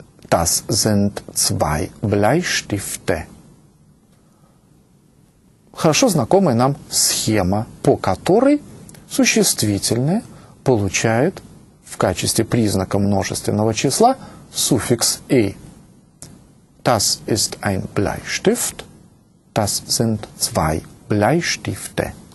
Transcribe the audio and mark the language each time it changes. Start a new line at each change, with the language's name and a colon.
German: Das sind zwei Bleistifte.
Russian: Хорошо знакомая нам схема, по которой существительное получает в качестве признака множественного числа суффикс «e».
German: Das ist ein Bleistift. Das sind zwei Bleistifte.